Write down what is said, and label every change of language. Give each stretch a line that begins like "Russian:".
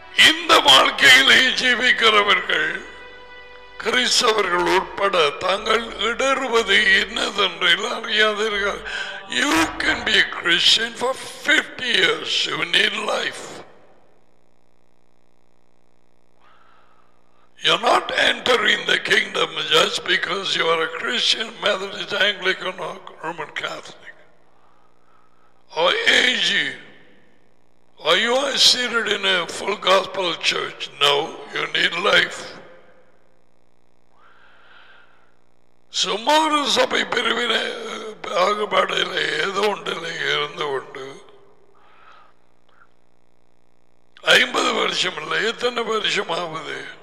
Tamil: இந்த வாழ்க்கையிலே ஜீவிக்கிறவர்கள் கிறிஸ்தவர்கள் உட்பட தாங்கள் இடறுவது என்னதென்று அறியாதீர்கள்.
English: You can be a Christian for 50 years. You need life. You're not entering the kingdom just because you are a Christian, Methodist, Anglican, or Roman Catholic. Or Asian. Or you are seated in a full gospel church. No, you need life.
Tamil: சுமார் சபை பிரிவின பாகுபாடுகளை ஏதோ ஒன்றிலே இருந்து கொண்டு 50 வருஷம் இல்லை, எத்தனை வருஷம் ஆகுது?